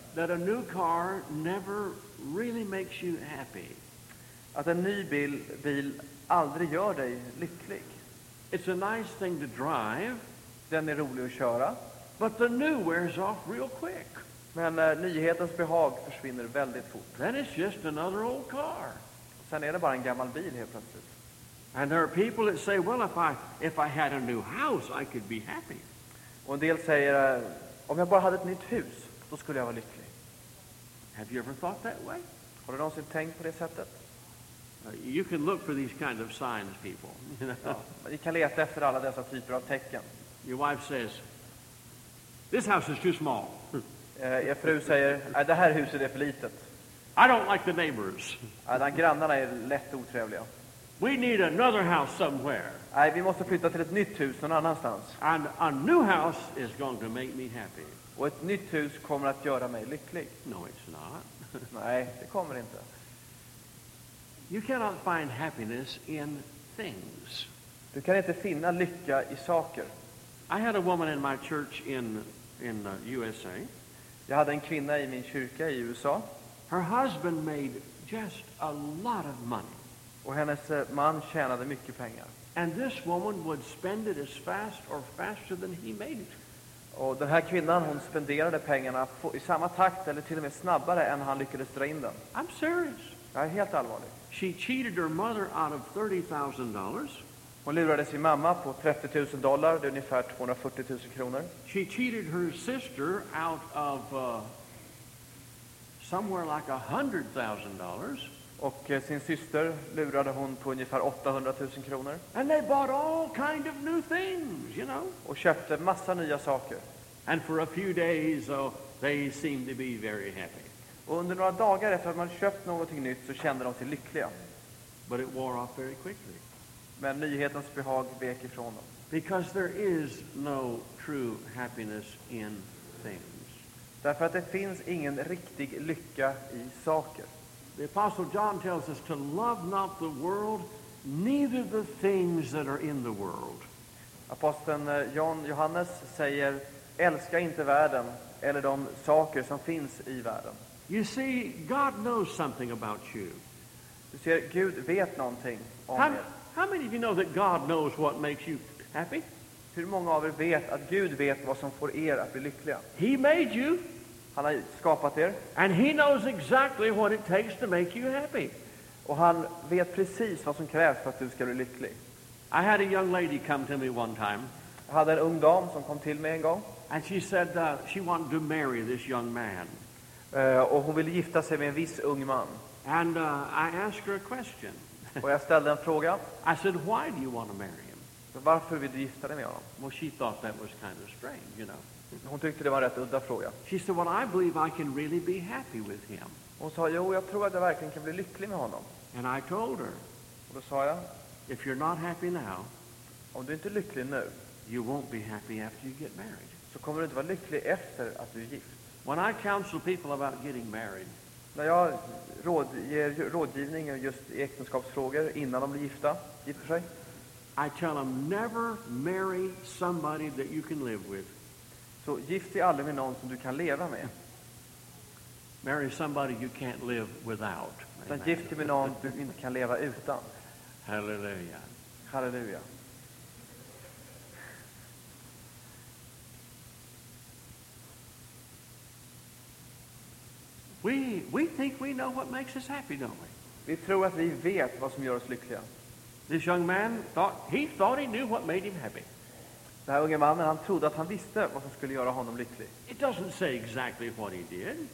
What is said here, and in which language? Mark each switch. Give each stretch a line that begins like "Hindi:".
English: That a new car never really makes you happy.
Swedish: Att en ny bil aldrig gör dig lycklig.
English: It's a nice thing to drive.
Swedish: Den är rolig att köra.
English: But the new wears off real quick.
Swedish: Men nyhetens behag försvinner väldigt fort.
English: Then it's just another old car.
Swedish: Sen är det bara en gammal bil helt plötsligt.
English: And there are people that say, well, if I had a new house, I could be happy.
Swedish: Och en del säger, om jag bara hade ett nytt hus, då skulle jag vara lycklig.
English: Have you ever thought that way?
Swedish: Har du någonsin tänkt på det sättet?
English: You can look for these kinds of signs, people.
Swedish: Ja, ni kan leta efter alla dessa typer av tecken.
English: Your wife says, this house is too small.
Swedish: Er fru säger, det här huset är för litet.
English: I don't like the neighbors.
Swedish: De grannarna är lätt otrevliga.
English: We need another house somewhere.
Swedish: Nej, vi måste flytta till ett nytt hus någon annanstans.
English: And a new house is going to make me happy.
Swedish: Och ett nytt hus kommer att göra mig lycklig.
English: No, it's not.
Swedish: Nej, det kommer inte.
English: You cannot find happiness in things.
Swedish: Du kan inte finna lycka i saker.
English: I had a woman in my church in the USA.
Swedish: Jag hade en kvinna i min kyrka i USA.
English: Her husband made just a lot of money.
Swedish: Och hennes man tjänade mycket pengar.
English: And this woman would spend it as fast or faster than he made it.
Swedish: Och den här kvinnan, hon spenderade pengarna i samma takt eller till och med snabbare än han lyckades dra in dem.
English: I'm serious.
Swedish: Jag är helt allvarlig.
English: She cheated her mother out of $30,000.
Swedish: Hon lurade sin mamma på $30,000, det är ungefär 240 000 kronor.
English: She cheated her sister out of somewhere like $100,000.
Swedish: Och sin syster lurade hon på ungefär 800 000 kronor.
English: And they bought all kind of new things, you know.
Swedish: Och köpte massa nya saker.
English: And for a few days, oh, they seemed to be very happy.
Swedish: Och under några dagar efter att man köpt någonting nytt så kände de sig lyckliga.
English: But it wore off very quickly.
Swedish: Men nyhetens behag vek ifrån dem.
English: Because there is no true happiness in things.
Swedish: Därför att det finns ingen riktig lycka i saker.
English: The Apostle John tells us to love not the world, neither the things that are in the world.
Swedish: Aposteln Johannes säger, älska inte världen eller de saker som finns i världen.
English: You see, God knows something about you.
Swedish: Du ser, Gud vet någonting om dig.
English: How many of you know that God knows what makes you happy?
Swedish: Hur många av er vet att Gud vet vad som får er att bli lyckliga?
English: He made you.
Swedish: Han har skapat er.
English: And he knows exactly what it takes to make you happy.
Swedish: Och han vet precis vad som krävs för att du ska bli lycklig.
English: I had a young lady come to me one time.
Swedish: Jag hade en ung dam som kom till mig en gång.
English: And she said she wanted to marry this young man.
Swedish: Och hon ville gifta sig med en viss ung man.
English: And I asked her a question.
Swedish: Och jag ställde en fråga.
English: I said, why do you want to marry him?
Swedish: Varför vill du gifta dig med honom?
English: Well, she thought that was kind of strange, you know.
Swedish: Hon tyckte det var en rätt udda fråga.
English: She said, well, I believe I can really be happy with him.
Swedish: Hon sa, jo, jag tror att jag verkligen kan bli lycklig med honom.
English: And I told her.
Swedish: Och då sa jag,
English: if you're not happy now,
Swedish: om du inte är lycklig nu,
English: you won't be happy after you get married.
Swedish: Så kommer du inte vara lycklig efter att du är gift.
English: When I counsel people about getting married,
Swedish: när jag ger rådgivning just i äktenskapsfrågor innan de blir gifta, gifter sig.
English: I tell them, never marry somebody that you can live with.
Swedish: Så gift dig aldrig med någon som du kan leva med.
English: Marry somebody you can't live without.
Swedish: Utan gift dig med någon du inte kan leva utan.
English: Halleluja.
Swedish: Halleluja.
English: We think we know what makes us happy, don't we?
Swedish: Vi tror att vi vet vad som gör oss lyckliga.
English: This young man thought he knew what made him happy.
Swedish: Den här unge mannen, han trodde att han visste vad som skulle göra honom lycklig.
English: It doesn't say exactly what he did.